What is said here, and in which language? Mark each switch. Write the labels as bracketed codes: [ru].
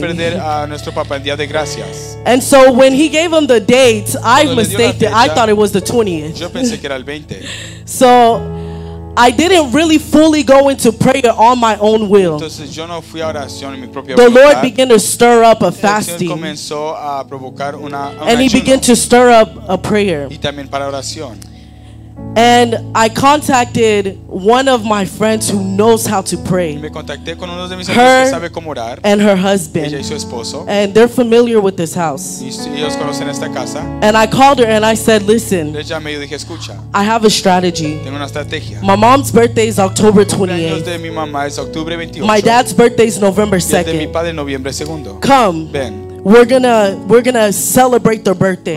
[es] Que perder a nuestro papá el día de gracias. [en] And so when he gave him the date, I mistaked it. I thought it was the 20th. [es] Yo pensé que era el 20. [en] So I didn't really fully go into prayer on my own will. [es] Entonces, yo no fui a oración en mi propia [en] the [es] voluntad. [en] Lord began to stir up a fasting. [es] El Señor comenzó a provocar una [en] and he [es] ayuno. [en] Began to stir up a prayer. [es] Y también para oración. [en] And I contacted one of my friends who knows how to pray. [es] Me contacté con uno de mis amigos que sabe cómo orar. [en] And her husband. [es] Ella y su esposo. [en] And they're familiar with this house. [es] Y ellos conocen esta casa. [en] And I called her and I said, listen, [es] le llamé y dije, escucha, [en] I have a strategy. [es] Tengo una estrategia. [en] My mom's birthday is October 28th. [es] De mi mamá es octubre 28. [en] My dad's birthday is November 2nd. [es] Y el de mi padre, noviembre 2. [en] Come. [es] Ven. [en] We're gonna celebrate their birthday.